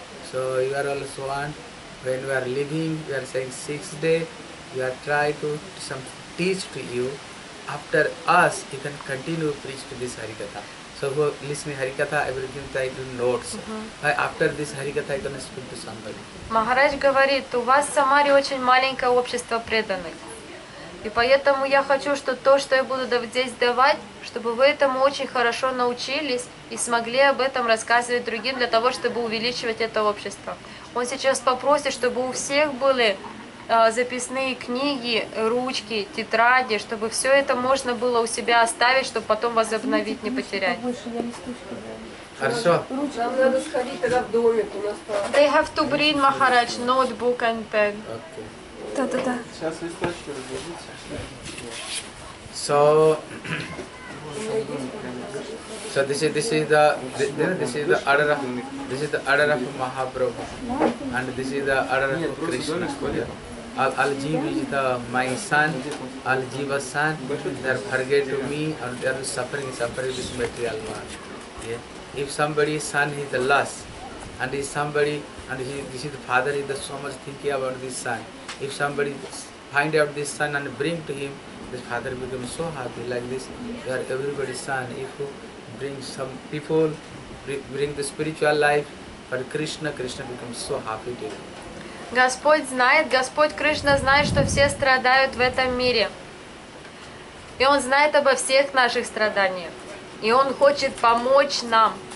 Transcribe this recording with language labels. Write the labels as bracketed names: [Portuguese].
[English] So you are also one, when you are living, you are saying 6 days, you are trying to teach to you. After us, you can continue to preach to this Harikatha. So who listening Harikatha, everything try to notes. Mm-hmm. After this Harikatha, you can speak to somebody. [Russian] Maharaj говорит, у вас в Самаре очень маленькое общество преданных. И поэтому я хочу, что то, что я буду здесь давать, чтобы вы этому очень хорошо научились и смогли об этом рассказывать другим для того, чтобы увеличивать это общество. Он сейчас попросит, чтобы у всех были записные книги, ручки, тетради, чтобы все это можно было у себя оставить, чтобы потом возобновить, не потерять. Хорошо. Нам надо сходить тогда в домик у нас. [English] They have to bring Maharaj notebook and pen. [Russian] Да-да-да. Сейчас листочки разберите. [English] So this is the order of Mahaprabhu, and this is the order of Krishna. Aljeev is the my son, Aljeeva's son. They are forget to me, and they are suffering this material world. Yeah. If somebody's son is the last, and is somebody, and he, this is the father, is the so much thinking about this son. If somebody find out this son and bring to him, this father becomes so happy like this. You are everybody's son. If you bring some people, bring the spiritual life for Krishna, Krishna becomes so happy to you. [Russian] Господь знает, Господь Кришна знает, что все страдают в этом мире. И Он знает обо всех наших страданиях. И Он хочет помочь нам.